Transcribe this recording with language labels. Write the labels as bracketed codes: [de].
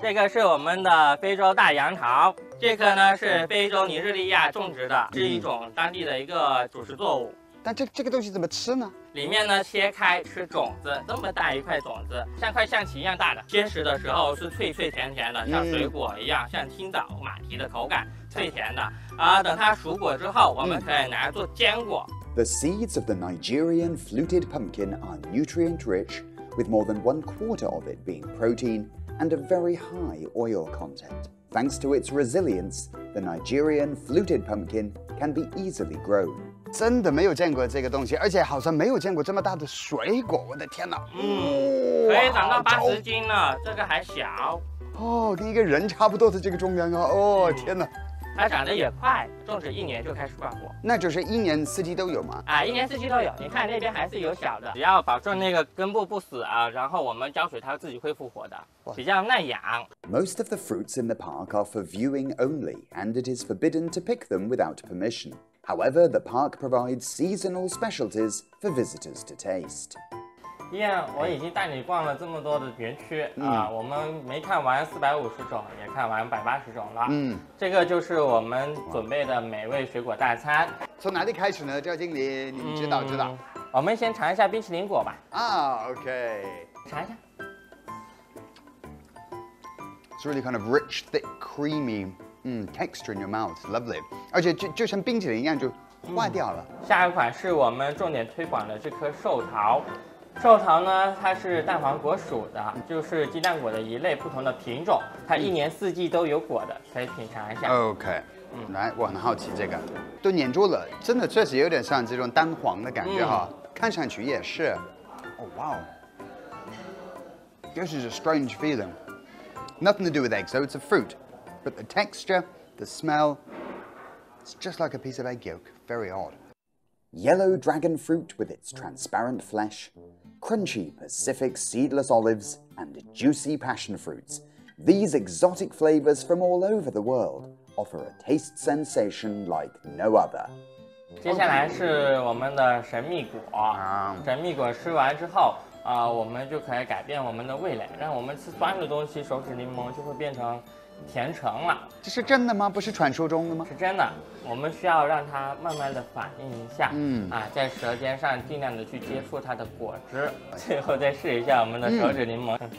[zh] 这个是我们的非洲大杨桃，这个呢是非洲尼日利亚种植的，是一种当地的一个主食作物。但这个东西怎么吃呢？里面呢切开吃种子，这么大一块种子，像块象棋一样大的。结实的时候是脆脆甜甜的，像水果一样，像青枣马蹄的口感，脆甜的。等它熟果之后，我们可以拿做坚果。 [en] The seeds of the Nigerian fluted pumpkin are nutrient rich. With more than one quarter of it being protein and a very high oil content. Thanks to its resilience, the Nigerian fluted pumpkin can be easily grown. [zh] 真的没有见过这个东西，而且好像没有见过这么大的水果，我的天哪！可以长到80斤呢，这个还小。哦，跟一个人差不多的这个重量啊！哦，天哪！它长得也快，种植一年就开始挂果，那就是一年四季都有吗？啊，一年四季都有。你看那边还是有小的，只要保证那个根部不死啊，然后我们浇水，它自己会复活的，比较耐养。 [en] Most of the fruits in the park are for viewing only, and it is forbidden to pick them without permission. However, the park provides seasonal specialties for visitors to taste. [zh] Ian， 我已经带你逛了这么多的园区啊，我们没看完450种，也看完180种了。这个就是我们准备的美味水果大餐。从哪里开始呢，赵经理？你知道知道。我们先尝一下冰淇淋果吧。啊 ，OK。尝一下。 [en] It's really kind of rich, thick, creamy, texture in your mouth, lovely。 [zh] 而且就像冰淇淋一样就化掉了。下一款是我们重点推广的这颗寿桃。寿桃呢，它是蛋黄果属的，就是鸡蛋果的一类不同的品种，它一年四季都有果的，可以品尝一下。 OK， 来，我很好奇这个，都粘住了，真的确实有点像这种蛋黄的感觉哈，看上去也是。 [en] 哦，哇哦 ，This is a strange feeling. Nothing to do with eggs, so it's a fruit, but the texture, the smell, it's just like a piece of egg yolk. Very odd. Yellow dragon fruit with its transparent flesh.Crunchy Pacific seedless olives and juicy passion fruits These exotic flavors from all over the world offer a taste sensation like no other. [zh] 接下来是我们的神秘果。神秘果吃完之后，我们就可以改变我们的味蕾，让我们吃酸的东西，手指柠檬就会变成甜橙了。这是真的吗？不是传说中的吗？是真的，我们需要让它慢慢的反应一下，在舌尖上尽量的去接触它的果汁，最后再试一下我们的手指柠檬。